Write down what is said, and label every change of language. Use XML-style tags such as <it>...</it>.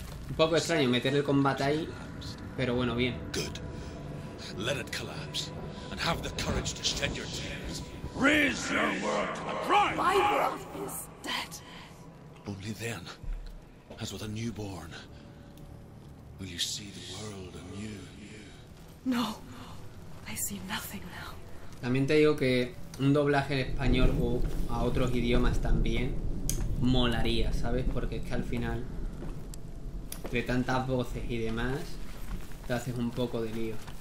<es>Un poco extraño meter el combate ahí, pero bueno, bien.</es> <en>Good. Let it collapse and have the courage to shed your tears. Raise your world to the prime. My world is dead. Only then, as with a newborn, will you see the world anew. No, I see nothing now.</en> <es>También te digo que un doblaje en español o a otros idiomas también molaría, ¿sabes? Porque es que al final, entre tantas voces y demás, te haces un poco de lío.</es>